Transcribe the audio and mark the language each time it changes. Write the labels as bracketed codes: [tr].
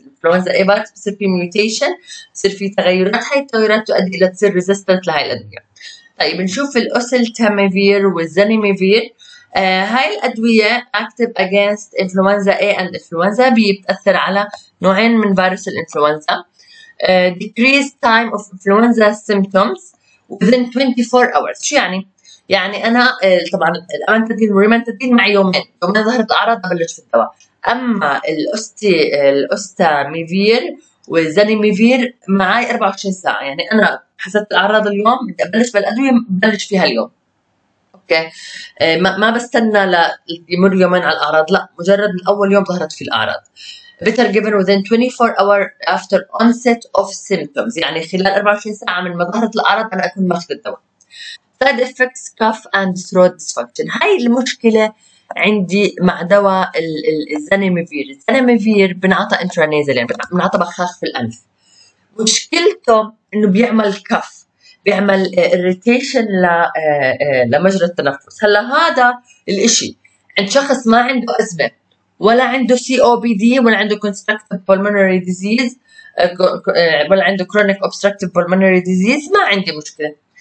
[en] influenza A virus [ar] بصير فيه mutation، بصير فيه تغيرات، هاي التغيرات تؤدي الى تصير resistant لهاي الادوية. طيب نشوف الاوسلتاميفير والزانيميفير. هاي الادوية [en] active against influenza A and influenza B، [ar] بتأثر على نوعين من فيروس الانفلونزا. [en] decrease time of influenza symptoms within 24 hours. [ar] شو يعني؟ يعني انا طبعا الامانتادين والريمانتادين معي يومين، يومين ظهرت الاعراض ببلش في الدواء. اما الاوستاميفير والزانيميفير معي 24 ساعه، يعني انا حسيت الاعراض اليوم بدي ابلش بالادويه ببلش فيها اليوم. اوكي؟ ما بستنى يمر يومين على الاعراض، لا، مجرد من اول يوم ظهرت في الاعراض. [en] better given within 24 hours after onset of symptoms، [ar] يعني خلال 24 ساعه من ما ظهرت الاعراض انا اكون ماخذ الدواء. [en] side effects cough and throat dysfunction. [ar] هاي المشكلة عندي مع دواء الزانيميفير. الزانيميفير بنعطى انترانيزل، يعني بنعطى بخاخ في الأنف. مشكلته إنه بيعمل كف، بيعمل irritation لمجرى التنفس. هلا هذا الإشي عند شخص ما عنده أزمة، ولا عنده COPD، ولا عنده [en] constructive pulmonary disease، [ar] ولا عنده [en] chronic obstructive pulmonary disease، [ar] ما عندي مشكلة.